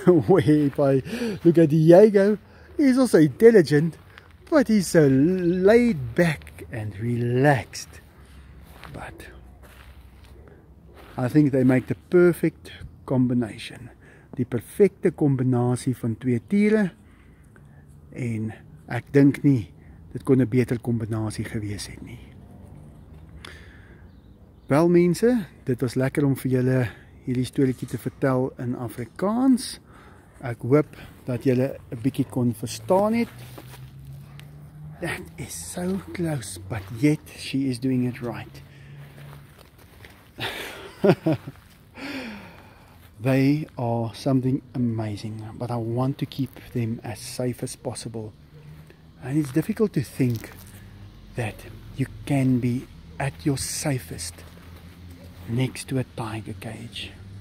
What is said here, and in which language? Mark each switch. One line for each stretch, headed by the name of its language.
English: Where if I look at Diego, he's also intelligent, but he's so laid back and relaxed. But I think they make the perfect combination.
Afrikaans: Die perfekte kombinasie van twee tiere. En ek dink nie dit kon 'n beter kombinasie gewees het nie. Wel mense, dit was lekker om vir julle hierdie storieetjie te vertel in Afrikaans. Ek hoop dat julle 'n bietjie kon verstaan het.
English: That is so close, but yet she is doing it right. They are something amazing, but I want to keep them as safe as possible. And it's difficult to think that you can be at your safest next to a tiger cage.